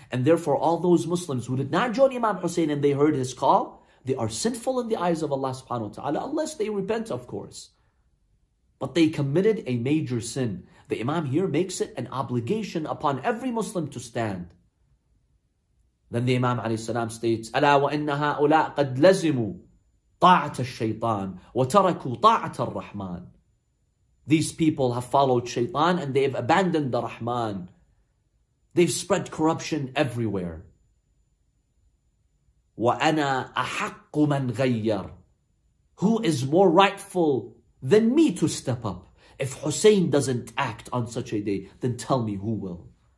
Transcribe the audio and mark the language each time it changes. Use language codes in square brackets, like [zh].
[en] And therefore, all those Muslims who did not join Imam Hussein and they heard his call, they are sinful in the eyes of Allah subhanahu wa ta'ala, unless they repent, of course. But they committed a major sin. The Imam here makes it an obligation upon every Muslim to stand. Then the Imam alayhi salam states, [ar] أَلَا وَإِنَّ هَؤُلَاءَ قَدْ لَزِمُوا طَاعَةَ الشَّيْطَانِ وَتَرَكُوا طَاعَةَ الرَّحْمَانِ. [en] These people have followed shaitan and they've abandoned the Rahman. They've spread corruption everywhere. [ar] وَأَنَا أَحَقُّ مَنْ غَيَّرُ. [en] Who is more rightful Then me to step up. If Hussein doesn't act on such a day, then tell me who will.